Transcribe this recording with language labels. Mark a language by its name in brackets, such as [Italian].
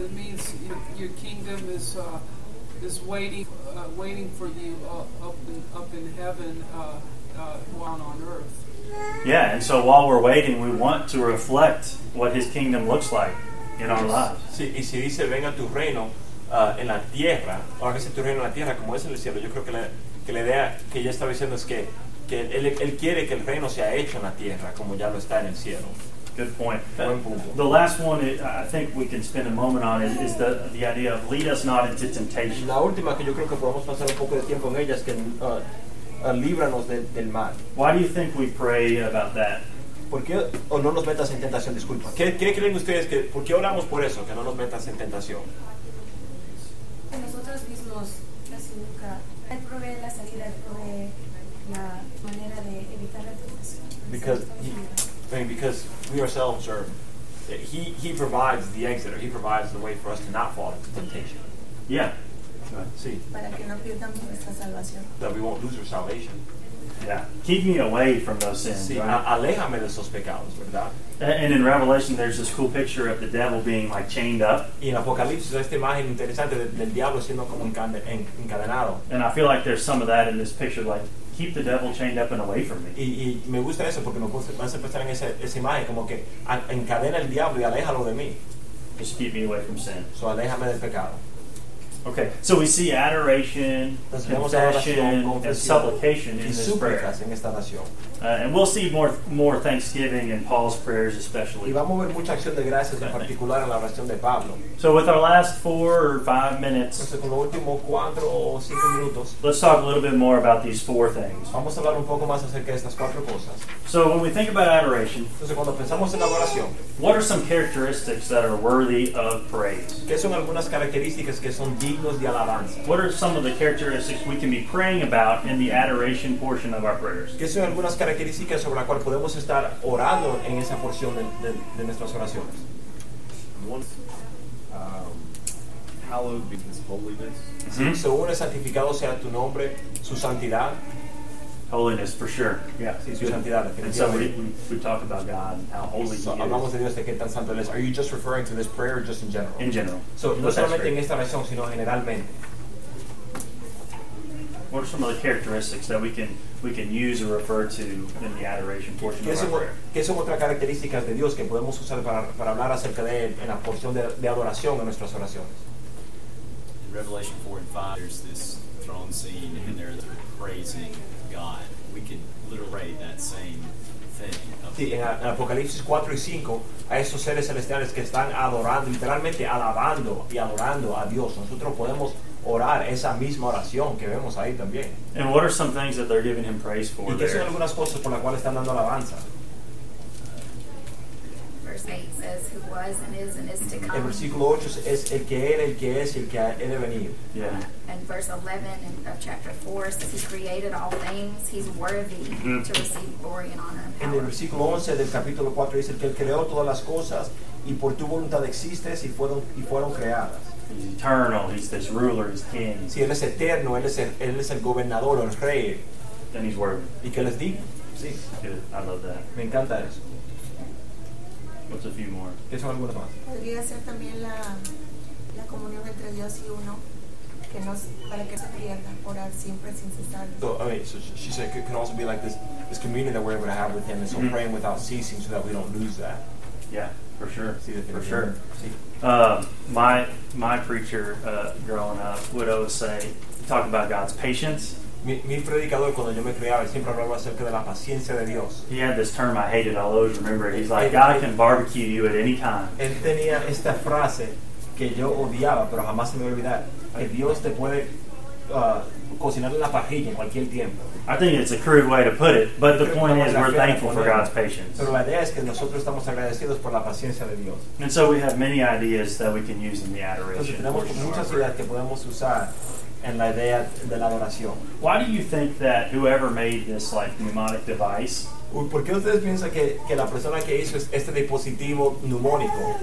[English] It means your kingdom is waiting for you up in heaven while on earth. Yeah, and so while we're waiting, we want to reflect what His kingdom looks like in our lives. [Spanish] Sí, y si dice venga tu reino en la tierra, o hágase tu reino en la tierra como es en el cielo, yo creo que la idea que ella estaba diciendo es que él quiere que el reino sea hecho en la tierra como ya lo está en el cielo. [English] Good point. The last one I think we can spend a moment on is the idea of lead us not into temptation. [Spanish] La última que yo creo que podemos pasar un poco de tiempo en ella es que líbranos del mal. [English] Why do you think we pray about that? [Spanish] ¿Por qué o no nos metas en tentación? Disculpa. ¿Qué creen ustedes que por qué oramos por eso, que no nos metas en tentación? Que nosotros mismos casi nunca él provee la salida, provee la manera de evitar la tentación. [English] Because we ourselves are he provides the exit, or he provides the way for us to not fall into temptation. Yeah. [Spanish] Sí. Para que no pierdamos nuestra salvación. [English] That we won't lose our salvation. Yeah. Keep me away from those sins. [Spanish] Sí, [English] right? [Spanish] Aléjame de esos pecados, ¿verdad? [English] And in Revelation, there's this cool picture of the devil being like chained up. [Spanish] Y en Apocalipsis, esta imagen interesante del diablo siendo como encadenado. [English] And I feel like there's some of that in this picture, like keep the devil chained up and away from me. [Spanish] Y me gusta eso porque me gusta más pensar en esa imagen como que encadena el diablo y aléjalo de mí. [English] Just keep me away from sin. [Spanish] So aléjame del pecado. [English] Okay, so we see adoration, confession, and supplication in this prayer. [Spanish] En esta oración. [English] And we'll see more thanksgiving in Paul's prayers especially. [Spanish] Y vamos a ver mucha acción de gracias en particular en la oración de Pablo. [English] So with our last 4 or 5 minutes, [Spanish] con los últimos 4 o 5 minutos, [English] let's talk a little bit more about these 4 things. [Spanish] Vamos a hablar un poco más acerca de estas 4 cosas. [English] So when we think about adoration, [Spanish] entonces cuando pensamos en la oración, [English] what are some characteristics that are worthy of praise? [Spanish] ¿Qué son algunas características que son dignos de alabanza? [English] What are some of the characteristics we can be praying about in the adoration portion of our prayers? [Spanish] ¿Qué son algunas características sobre la cual podemos estar orando en esa porción de nuestras oraciones? [English] Hallowed be his holiness. Mm-hmm. [Spanish] Sí, según es santificado sea tu nombre, su santidad. [English] Holiness, for sure. [Spanish] Yeah, sí, su santidad. [English] And so we talk about God, how holy so he is. [Spanish] Hablamos de Dios, de qué tan santo él es. [English] Are you just referring to this prayer or just in general? In general. [Spanish] So no solamente en esta oración, sino generalmente. [English] What are some of the characteristics that we can use or refer to in the adoration portion of our prayer? [Spanish] ¿Qué son otras características de Dios que podemos usar para hablar acerca de él en la porción de adoración en nuestras oraciones? [English] In Revelation 4 and 5, there's this throne scene, and they're praising God. We can literate that same thing. [Spanish] Sí, en Apocalipsis 4 y 5, a esos seres celestiales que están adorando, literalmente alabando y adorando a Dios, nosotros podemos orar esa misma oración que vemos ahí también. [English] And what are some things that they're giving him praise for? ¿Y qué son algunas cosas por las cuales están dando alabanza? Verse 8 says, who was and is to come. [Spanish] El versículo 8 es el que era, el que es y el que ha de venir. [English] Yeah. And verse 11 of chapter 4 says, he created all things, he's worthy to receive glory and honor and power. [Spanish] En el versículo 11 del capítulo 4 dice, que él creó todas las cosas y por tu voluntad existes y fueron creadas. [English] He's eternal, he's this ruler, he's king. [Spanish] Sí, él es eterno, él es el gobernador, el rey. [English] Then he's worthy. [Spanish] ¿Y qué les digo? Sí. [English] Good. I love that. [Spanish] Me encanta eso. [English] What's a few more? [Spanish] ¿Qué son algunas más? Podría ser también la comunión entre Dios y uno, que no, para que se pierda, orar siempre sin cesar. [English] So, I mean, so she said it can also be like this communion that we're able to have with Him, and so praying without ceasing so that we don't lose that. Yeah, for sure. See the thing for sure. See. My preacher growing up would always say, talk about God's patience. [Spanish] Mi predicador cuando yo me criaba siempre hablaba acerca de la paciencia de Dios. [English] He had this term I hated. I'll always remember it. He's like, God can barbecue you at any time. [Spanish] Él tenía esta frase que yo odiaba, pero jamás se me va a olvidar. Que Dios te puede cocinar en la parrilla en cualquier tiempo. [English] I think it's a crude way to put it, but the point is we're thankful for God's patience. [Spanish] Pero la idea es que nosotros estamos agradecidos por la paciencia de Dios. [English] And so we have many ideas that we can use in the adoration. [Spanish] Entonces tenemos muchas ideas que podemos usar en la idea de la adoración. [English] Why do you think that whoever made this like mnemonic device? [Spanish] ¿Por qué ustedes piensan que la persona que hizo este dispositivo mnemónico